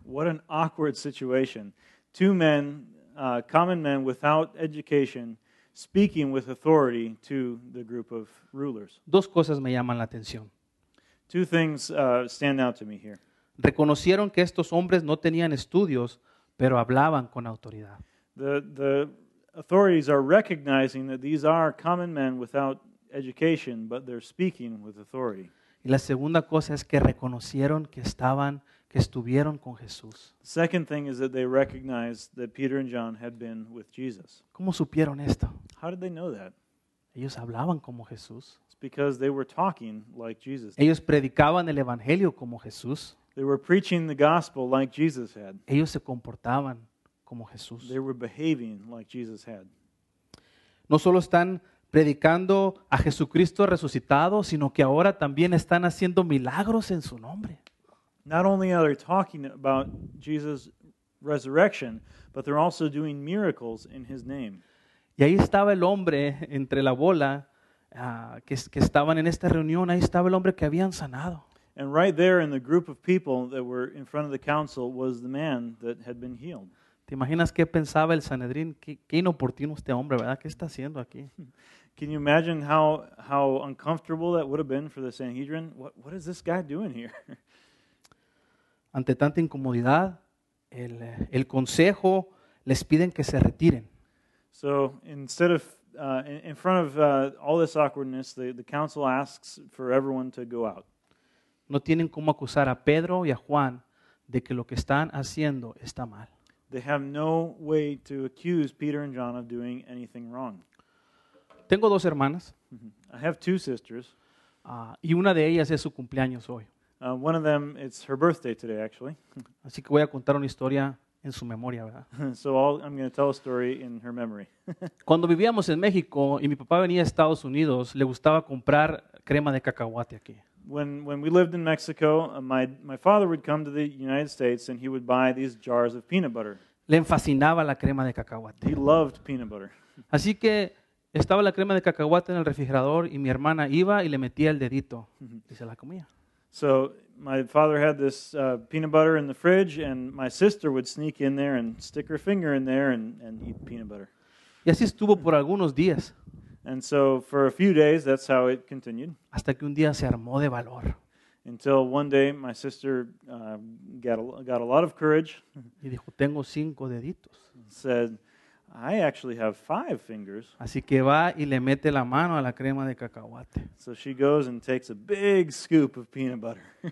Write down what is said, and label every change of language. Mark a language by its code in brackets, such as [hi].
[en] What an awkward situation. Two men, common men without education, speaking with authority to the group of rulers. [es] Dos cosas me llaman la atención. [en] Two things stand out to me here. [es] Reconocieron que estos hombres no tenían estudios, pero hablaban con autoridad. [en] The authorities are recognizing that these are common men without education, but they're speaking with authority. [es] Y la segunda cosa es que reconocieron que estuvieron con Jesús. [en] The second thing is that they recognized that Peter and John had been with Jesus. [es] ¿Cómo supieron esto? [en] How did they know that? [es] Ellos hablaban como Jesús. [en] It's because they were talking like Jesus. [es] Ellos predicaban el evangelio como Jesús. [en] They were preaching the gospel like Jesus had. [es] Ellos se comportaban como Jesús. [en] They were behaving like Jesus had. [es] No solo están predicando a Jesucristo resucitado, sino que ahora también están haciendo milagros en su nombre. [en] Not only are they talking about Jesus' resurrection, but they're also doing miracles in his name. [es] Y ahí estaba el hombre entre la bola que estaban en esta reunión. Ahí estaba el hombre que habían sanado. [en] And right there in the group of people that were in front of the council was the man that had been healed. [es] ¿Te imaginas qué pensaba el Sanedrín? ¿Qué inoportuno este hombre, verdad? ¿Qué está haciendo aquí? [en] Can you imagine how uncomfortable that would have been for the Sanhedrin? What is this guy doing here? [es] Ante tanta incomodidad, el consejo les piden que se retiren. [en] So instead of in front of all this awkwardness, the council asks for everyone to go out. [es] No tienen cómo acusar a Pedro y a Juan de que lo que están haciendo está mal. [en] They have no way to accuse Peter and John of doing anything wrong. [es] Tengo dos hermanas. [en] I have two sisters. [es] Y una de ellas es su cumpleaños hoy. [en] One of them, it's her birthday today, actually. [es] Así que voy a contar una historia en su memoria, ¿verdad? [en] So I'm going to tell a story in her memory. [es] Cuando vivíamos en México y mi papá venía a Estados Unidos, le gustaba comprar crema de cacahuate aquí. [en] When we lived in Mexico, my father would come to the United States and he would buy these jars of peanut butter. [es] Le fascinaba la crema de cacahuate. [en] He loved peanut butter. [es] Así que estaba la crema de cacahuate en el refrigerador y mi hermana iba y le metía el dedito y se la comía. [en] So my father had this peanut butter in the fridge and my sister would sneak in there and stick her finger in there and eat peanut butter. [es] Y así estuvo por algunos días. [en] And so for a few days, that's how it continued. [es] Hasta que un día se armó de valor. [en] Until one day, my sister got a lot of courage. [es] Y dijo, tengo cinco deditos. [en] Said, I actually have five fingers. [es] Así que va y le mete la mano a la crema de cacahuate. [en] So she goes and takes a big scoop of peanut butter.